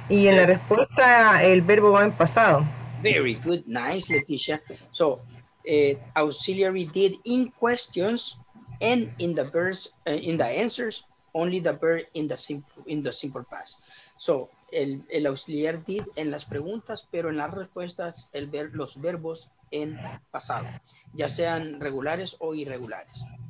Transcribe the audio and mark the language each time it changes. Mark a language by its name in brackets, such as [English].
[Spanish] Y en la respuesta, el verbo va en pasado. [English] Very good. Nice, Leticia. So, auxiliary did in questions and in the verbs, in the answers, only the verb in the simple past. [Spanish] So, el auxiliar did en las preguntas, pero en las respuestas los verbos en pasado, ya sean regulares o irregulares.